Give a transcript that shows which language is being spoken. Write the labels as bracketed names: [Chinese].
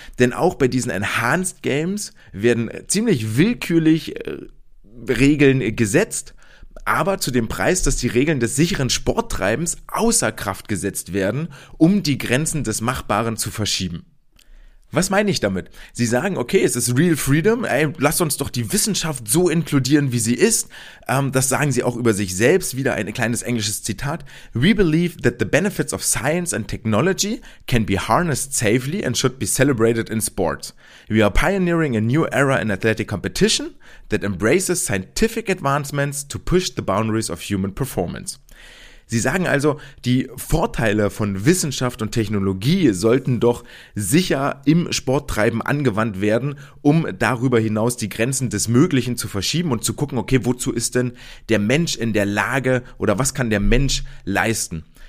[German] Denn auch bei diesen Enhanced Games werden ziemlich willkürlich Regeln gesetzt, aber zu dem Preis, dass die Regeln des sicheren Sporttreibens außer Kraft gesetzt werden, um die Grenzen des Machbaren zu verschieben. Was meine ich damit? Sie sagen, okay, es ist Real Freedom, ey, lass uns doch die Wissenschaft so inkludieren, wie sie ist. Das sagen sie auch über sich selbst, wieder ein kleines englisches Zitat. [English] We believe that the benefits of science and technology can be harnessed safely and should be celebrated in sports. We are pioneering a new era in athletic competition that embraces scientific advancements to push the boundaries of human performance. [German] Sie sagen also, die Vorteile von Wissenschaft und Technologie sollten doch sicher im Sporttreiben angewandt werden, um darüber hinaus die Grenzen des Möglichen zu verschieben und zu gucken, okay, wozu ist denn der Mensch in der Lage oder was kann der Mensch leisten?